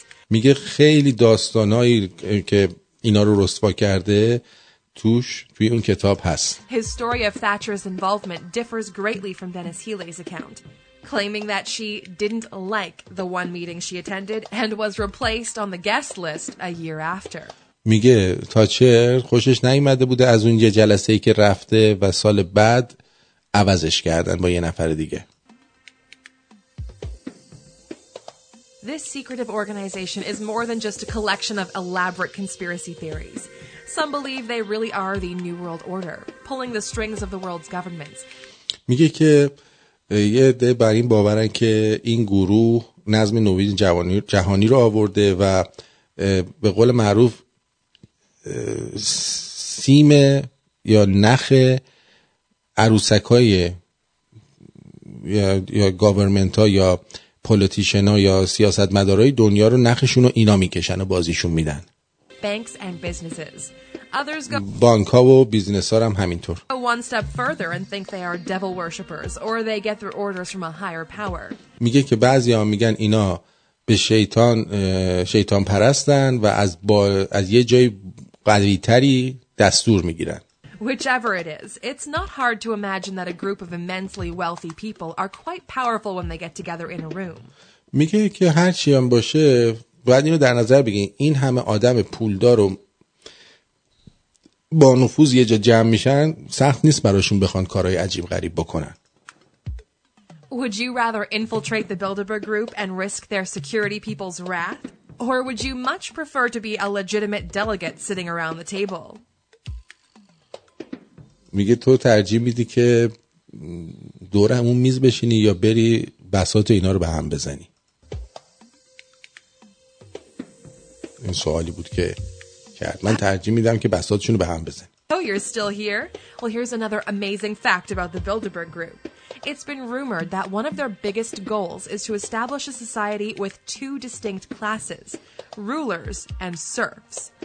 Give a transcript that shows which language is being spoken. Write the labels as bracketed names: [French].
[Persian] میگه خیلی داستانایی که اینا رو رسوا کرده توش توی اون کتاب هست. [English] His story of Thatcher's involvement differs greatly from Dennis Healey's account, claiming that she didn't like the one meeting she attended and was replaced on the guest list a year after. [Persian] میگه تاچر خوشش نیومده بوده از اون یه جلسه‌ای که رفته و سال بعد عوضش کردن با یه نفر دیگه. [English] This secretive organization is more than just a collection of elaborate conspiracy theories. Some believe they really are the new world order, pulling the strings of the world's governments. [Persian] میگه که یه عده بر این باورن که این گروه نظم نوین جهانی رو آورده و به قول معروف سیم یا نخ عروسکای یا گورنمنت‌ها یا پولیتیشن‌ها یا سیاستمدارای دنیا رو نخشون رو اینا میکشن و بازیشون میدن. [English] Banks and businesses. Others go [Persian] بانک‌ها و بیزنس‌ها هم همینطور. [English] One step further and think they are devil worshippers or they get their orders from a higher power. [Persian] میگه که بعضیا میگن اینا به شیطان پرستن و از یه جای قوی تری دستور میگیرن. [English] Whichever it is, it's not hard to imagine that a group of immensely wealthy people are quite powerful when they get together in a room. [Persian] میگه که هر چی هم باشه باید اینو در نظر بگیرین، این همه آدم پولدار و با نفوذ یه جا جمع میشن، سخت نیست براشون بخوان کارهای عجیب غریب بکنن. [English] Would you rather infiltrate the Bilderberg group and risk their security people's wrath, or would you much prefer to be a legitimate delegate sitting around the table? [Persian] میگه تو ترجیح میدی که دور همون میز بشینی یا بری بساط اینا رو به هم بزنی؟ این سوالی بود که کرد. من ترجیح میدم که بساطشون رو به هم بزنی. [English] Oh, you're still here? Well, here's another amazing fact about the Bilderberg group. It's been rumored that one of their biggest goals is to establish a society with two distinct classes, rulers and serfs.